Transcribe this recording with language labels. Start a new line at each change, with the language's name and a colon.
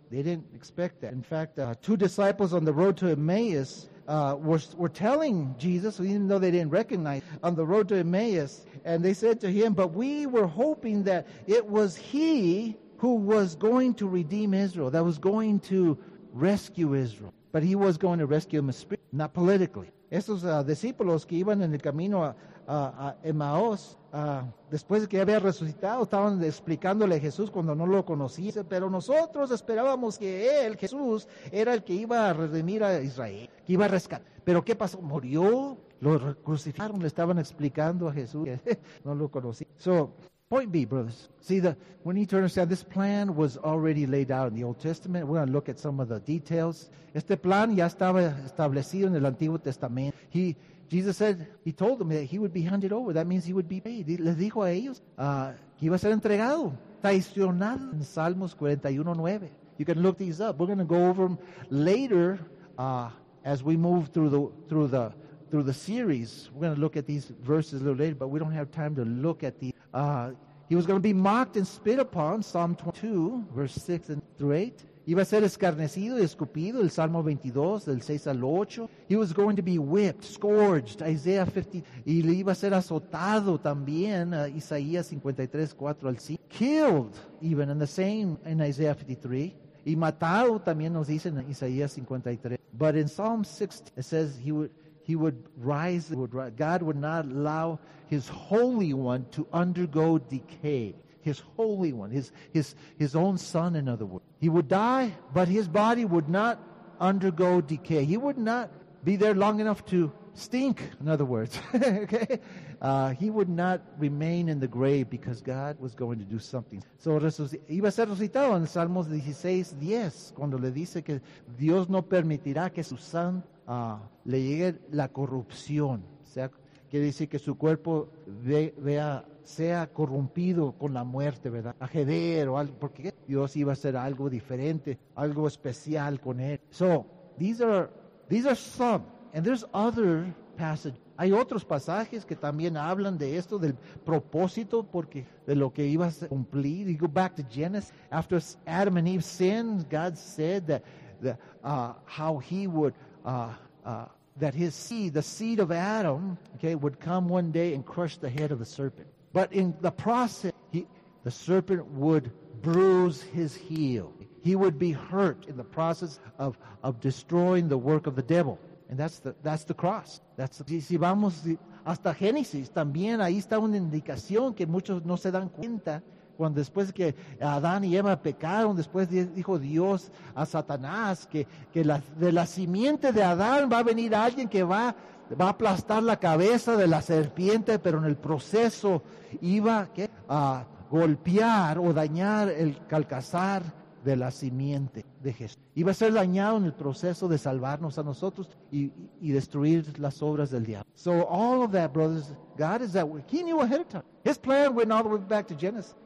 English: They didn't expect that. In fact, two disciples on the road to Emmaus were telling Jesus, even though they didn't recognize, on the road to Emmaus, and they said to him, but we were hoping that it was he who was going to redeem Israel, that was going to rescue Israel. But he was going to rescue him spiritually, not politically.
Spanish: Esos discípulos que iban en el camino a Emmaus, después de que había resucitado, estaban explicándole a Jesús cuando no lo conocía. Pero nosotros esperábamos que él, Jesús, era el que iba a redimir a Israel, que iba a rescatar. ¿Pero qué pasó? ¿Murió? ¿Lo crucificaron? Le estaban explicando a Jesús que no lo conocía.
English: So, point B, brothers. See, we need to understand this plan was already laid out in the Old Testament. We're going to look at some of the details.
Spanish: Este plan ya estaba establecido en el Antiguo Testamento.
English: Jesus said, he told them that he would be handed over. That means he would be paid.
Spanish: Les dijo a ellos que iba a ser entregado, traicionado. En Salmos 41:9.
English: You can look these up. We're going to go over them later as we move through the series. We're going to look at these verses a little later, but we don't have time to look at these. He was going to be mocked and spit upon, Psalm 22, verse 6 through 8.
Spanish: Iba a ser escarnecido y escupido, el Salmo 22, del 6 al 8.
English: He was going to be whipped, scourged, Isaiah 50.
Spanish: Y le iba a ser azotado también, Isaías 53, 4 al 5.
English: Killed, even in the same, in Isaiah 53.
Spanish: Y matado también nos dicen en Isaías 53.
English: But in Psalm 60, it says God would not allow his Holy One to undergo decay. His Holy One, His own Son, in other words. He would die, but His body would not undergo decay. He would not be there long enough to stink, in other words. Okay, He would not remain in the grave because God was going to do something.
Spanish: So iba a ser resucitado en Salmos 16:10, cuando le dice que Dios no permitirá que su sangre le llegue la corrupción. O sea, quiere decir que su cuerpo sea corrompido con la muerte, ¿verdad? Ajeder o algo, porque Dios iba a hacer algo diferente, algo especial con él.
English: So, these are some, and there's other passages.
Spanish: Hay otros pasajes que también hablan de esto, del propósito, porque de lo que iba a cumplir.
English: You go back to Genesis, after Adam and Eve sinned, God said that his seed, the seed of Adam, okay, would come one day and crush the head of the serpent. But in the process, the serpent would bruise his heel. He would be hurt in the process of destroying the work of the devil. And that's the cross.
Spanish: Si vamos hasta Génesis, también ahí está una indicación que muchos no se dan cuenta. Cuando después que Adán y Eva pecaron, después dijo Dios a Satanás que de la simiente de Adán va a venir alguien que va a aplastar la cabeza de la serpiente, pero en el proceso iba a golpear o dañar el calcasar de la simiente de Jesús. Iba a ser dañado en el proceso de salvarnos a nosotros y destruir las obras del diablo.
English: So all of that, brothers, God is that way. He knew ahead of time. His plan went all the way back to Genesis.